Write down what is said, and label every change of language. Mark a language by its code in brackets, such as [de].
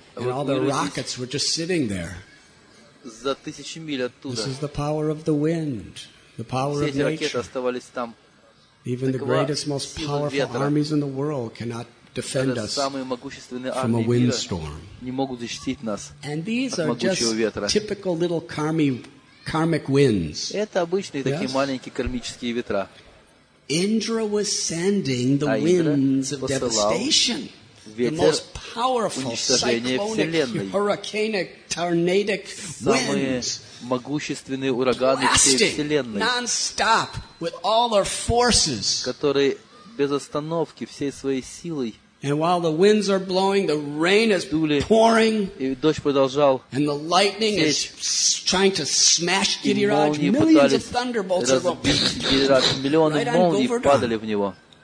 [en] And all the rockets were just sitting there. This is the power of the wind, the power of nature. Even the greatest, most powerful armies in the world cannot defend us from a windstorm. And these are just typical little karmic winds. [ru] Это обычные такие маленькие кармические ветра. [en] Indra was sending the winds of devastation, the most powerful cyclonic, hurricanic, tornadic winds, [ru] могущественные ураганы всей вселенной, [en] non-stop with all their forces, [ru] которые без остановки всей своей силой. [en] And while the winds are blowing, the rain is pouring, and the lightning is trying to smash Гирирадж. Millions of thunderbolts are going right on Govardhan.